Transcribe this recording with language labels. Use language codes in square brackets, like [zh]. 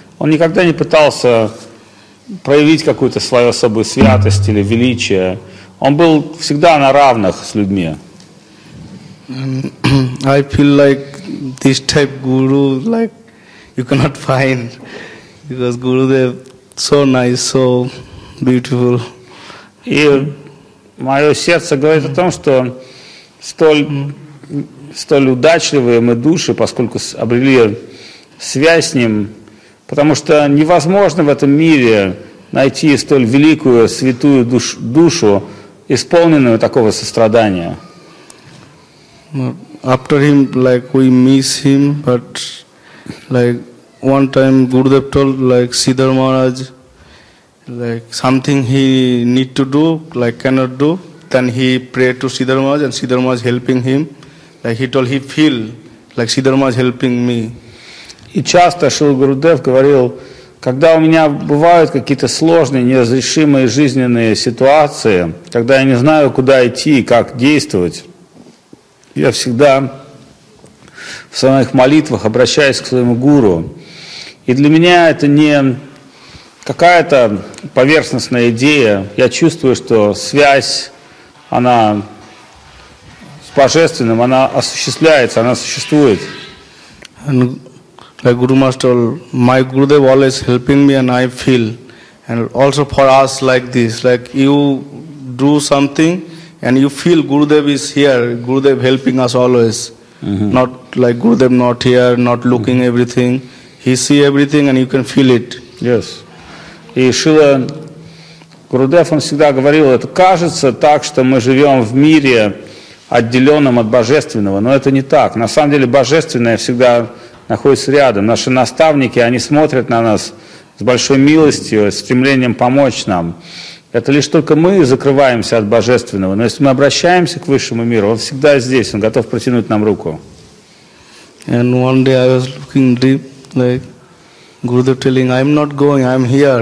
[ru] Он никогда не пытался проявить какую-то свою особую святость или величие. Он был всегда на равных с людьми. [en] I feel like this type guru, like you cannot find, because Gurudev so nice, so beautiful. [ru] И мое сердце говорит о том, что столь удачливые мы души, поскольку обрели связь с ним, потому что невозможно в этом мире найти столь великую святую душу, исполненную такого сострадания. [en] After him, like we miss him, but Like one time Gurudev told like Sridhar Maharaj, like something he need to do, like cannot do. Then he prayed to Sridhar Maharaj and Sridhar Maharaj helping him. Like he told he feel like Sridhar Maharaj helping me. [ru] И часто Шрила Гурудев говорил, когда у меня бывают какие-то сложные, неразрешимые жизненные ситуации, когда я не знаю, куда идти и как действовать, я всегда в своих молитвах обращаюсь к своему гуру. И для меня это не какая-то поверхностная идея. Я чувствую, что связь, она с Божественным, она осуществляется, она существует. [en] Like Guru Master, my Gurudev always helping me and I feel. And also for us like this, like you do something and you feel Gurudev is here, Gurudev helping us always. Mm-hmm. Not like Gurudev not here, not looking mm-hmm. everything. He see everything and you can feel it. Yes. [ru] И Шрила Гурудев, он всегда говорил, это кажется так, что мы живем в мире, отделенном от Божественного, но это не так. На самом деле Божественное всегда находится рядом. Наши наставники, они смотрят на нас с большой милостью, с стремлением помочь нам. Это лишь только мы закрываемся от Божественного. Но если мы обращаемся к Высшему миру, Он всегда здесь, Он готов протянуть нам руку. [en] And one day I was looking deep, like Gurudev telling, I'm not going, I'm here.